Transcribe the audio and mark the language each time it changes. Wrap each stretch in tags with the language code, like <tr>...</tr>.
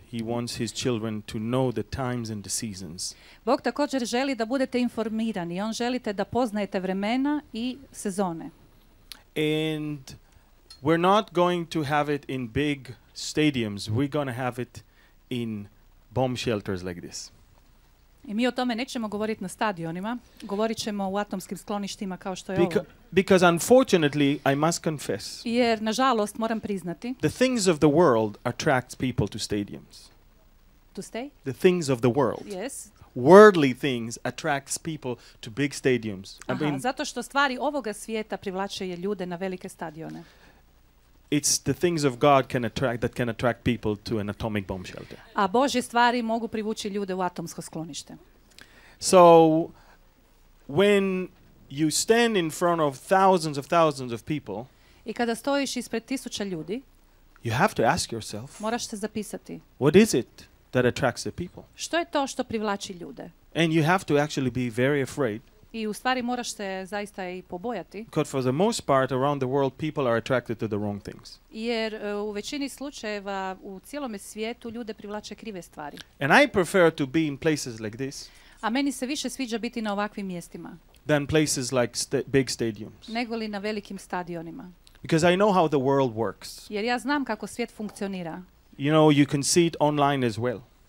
<en>He wants His children to know the times and the seasons.</en> <hr>Bog također želi da budete informirani. On želite da poznajete vremena i sezone.</hr> <en>And we're not going to have it in big stadiums. We're going to have it in bomb shelters like this.</en> <hr>I mi o tome nećemo govoriti na stadionima. Govorit ćemo u atomskim skloništima kao što je ovo.</hr> <en>Because unfortunately, I must confess.</en> <hr>Jer, nažalost, moram priznati.</hr> <en>The things of the world attract people to stadiums. To stay? The things of the world. Yes. Worldly things attracts people to big stadiums.</en> <hr>Zato što stvari ovoga svijeta privlače ljude na velike stadione.</hr> <en>It's the things of God can attract that can attract people to an atomic bomb shelter.</en> <hr>A Božje stvari mogu privući ljude u atomsko sklonište.</hr> <en>So when you stand in front of thousands of thousands of people,</en> <hr>i kada stojiš ispred tisuća ljudi,</hr> <en>you have to ask yourself,</en> <hr>moraš se zapisati,</hr> <en>what is it that attracts the people?</en> <hr>Što je to što privlači ljude?</hr> <en>And you have to actually be very afraid.</en> <hr>I u stvari moraš se zaista i pobojati.</hr> <en>Because for the most part around the world people are attracted to the wrong things.</en> <hr>Jer u većini slučajeva u cijelom svijetu ljude privlače krive stvari.</hr> <en>And I prefer to be in places like this.</en> <hr>A meni se više sviđa biti na ovakvim mjestima.</hr> <en>Than places like big stadiums.</en> <hr>Negoli na velikim stadionima.</hr> <en>Because I know how the world works.</en> <hr>Jer ja znam kako svijet funkcionira.</hr> <en>You know, you can see it online as well.</en>